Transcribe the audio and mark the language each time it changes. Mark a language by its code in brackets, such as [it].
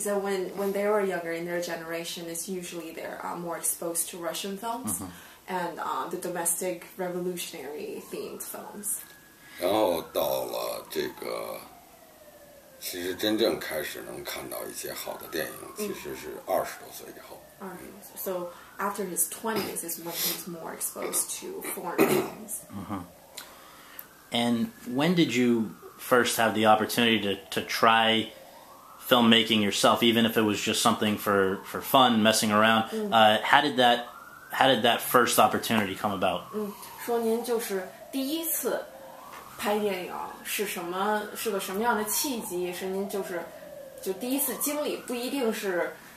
[en] said when they were younger in their generation, it's usually they are more exposed to Russian films and the domestic revolutionary themed films. [zh] 然后到了这个，其实真正开始能看到一些好的电影，其实是二十多岁以后。二十多岁，so. [en] After his 20s is when he's more exposed to foreign films. And when did you first have the opportunity to try filmmaking yourself, even if it was just something for fun, messing around? How did that first opportunity come about? [zh] 说您就是第一次拍电影是个什么样的契机，是您就第一次经历，不一定是。